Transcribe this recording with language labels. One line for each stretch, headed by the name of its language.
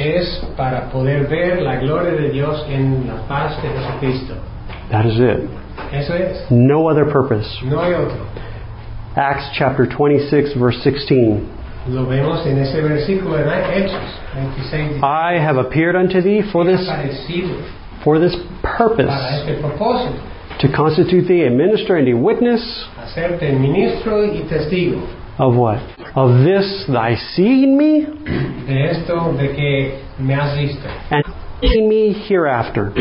Spanish: Es para poder ver la gloria de Dios en la faz de Jesucristo.
English: That is it.
Spanish: Eso es.
English: No other purpose.
Spanish: No hay otro.
English: Acts chapter 26, verse 16.
Spanish: Lo vemos en ese versículo en Hechos 26.
English: I have appeared unto thee for this purpose,
Spanish: para este propósito,
English: to constitute thee a minister and a witness,
Spanish: hacerte ministro y testigo,
English: of what? Of this thy seeing me,
Spanish: de esto de que me has visto,
English: and seeing me hereafter,